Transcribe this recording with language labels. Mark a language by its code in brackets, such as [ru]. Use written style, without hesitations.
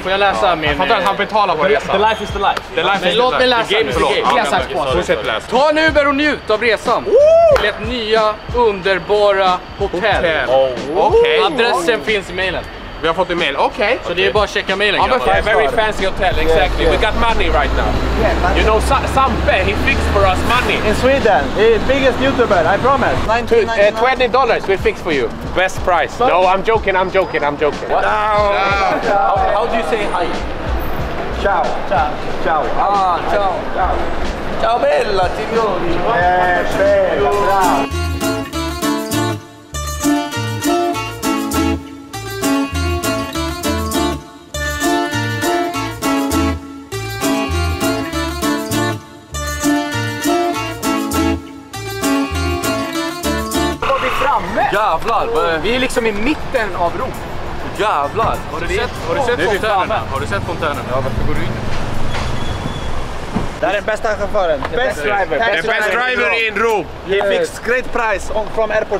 [sv] Får jag läsa min... Jag fattar att han betalar på resan. [en] The life is the life. The life is [sv] låt mig läsa [en] the [sv] nu. Läsa. Ta en Uber och njut av resan. Till ett nya, underbara hotell. [en] Okay. [sv] Adressen finns i mailen. Vi har fått en mail, okej. Så det är bara att checka mailen. [en] I'm a very fancy hotel, exactly. Yeah. We got money right now. Yeah, you know, Sampe, he fixed for us money. In Sweden, the biggest YouTuber, I promise. $20 we fix for you. Best price. So? No, I'm joking. What? No. How do you say hi? [it] Ciao. Ciao bella, signori. Bella. [sv] Jävlar! Vi är liksom i mitten av Rom. Jävlar! Har du sett fontänen? Ja, varför går du in? Det är den bästa chauffören. [en] Best driver in Rom. He fixed great price from airport.